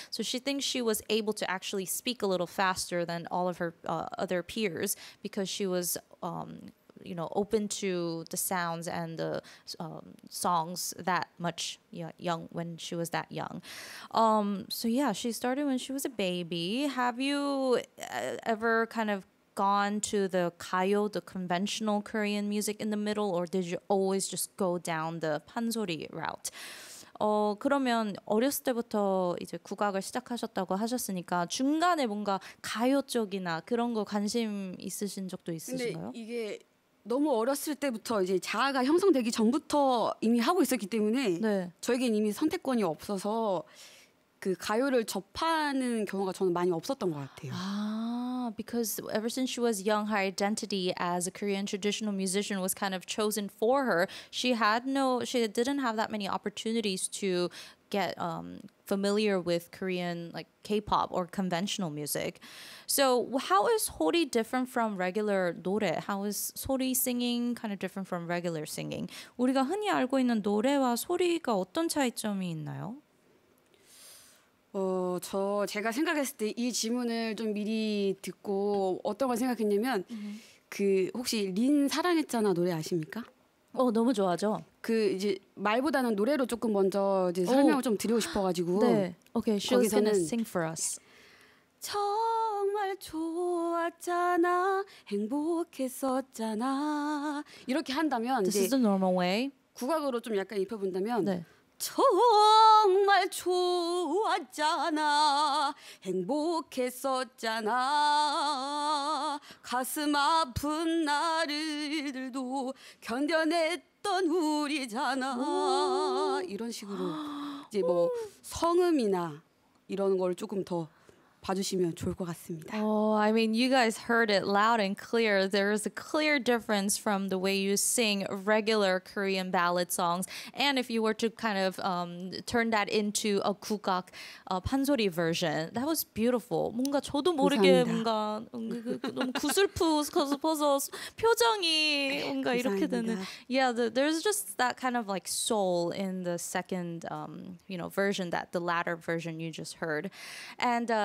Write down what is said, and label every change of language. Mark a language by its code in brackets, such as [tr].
[en] So she thinks she was able to actually speak a little faster than all of her other peers because she was you know, open to the sounds and the songs that much young when she was that young. So yeah, she started when she was a baby. Have you ever kind of gone to the 가요, the conventional Korean music in the middle, or did you always just go down the 판소리 route? [ko] 그러면 어렸을 때부터 이제 국악을 시작하셨다고 하셨으니까 중간에 뭔가 가요 쪽이나 그런 거 관심 있으신 적도 있으신가요? 근데 이게 너무 어렸을 때부터 이제 자아가 형성되기 전부터 이미 하고 있었기 때문에 네. 저에겐 이미 선택권이 없어서 그 가요를 접하는 경우가 저는 많이 없었던 것 같아요. [en] 아, because ever since she was young, her identity as a Korean traditional musician was kind of chosen for her. She didn't have that many opportunities to get familiar with Korean like K-pop or conventional music. So how is 소리 different from regular 노래? How is 소리 singing kind of different from regular singing? [ko] 우리가 흔히 알고 있는 노래와 소리가 어떤 차이점이 있나요? 제가 생각했을 때 이 질문을 좀 미리 듣고 어떤 걸 생각했냐면 mm-hmm. 그 혹시 린 사랑했잖아 노래 아십니까? 너무 좋아하죠. 그 이제 말보다는 노래로 조금 먼저 이제 설명을 좀 드리고 싶어가지고 [en] 네. Okay, she's gonna sing for us. [ko] 정말 좋았잖아, 행복했었잖아. 이렇게 한다면 [en] This is the normal way. [ko] 국악으로 좀 약간 입혀본다면 네. 정말 좋았잖아, 행복했었잖아. 가슴 아픈 날들도 견뎌냈던 우리잖아. 이런 식으로 이제 뭐 성음이나 이런 걸 조금 더 봐주시면 좋을 것 같습니다. [en] Oh, I mean, you guys heard it loud and clear. There is a clear difference from the way you sing regular Korean ballad songs. And if you were to kind of turn that into a 국악 판소리 version, that was beautiful. [ko] 뭔가 저도 모르게 감사합니다. 뭔가 너무 구슬프서 표정이 뭔가 이렇게 되는. [en] Yeah, there's just that kind of like soul in the second, you know, version that the latter version you just heard, and.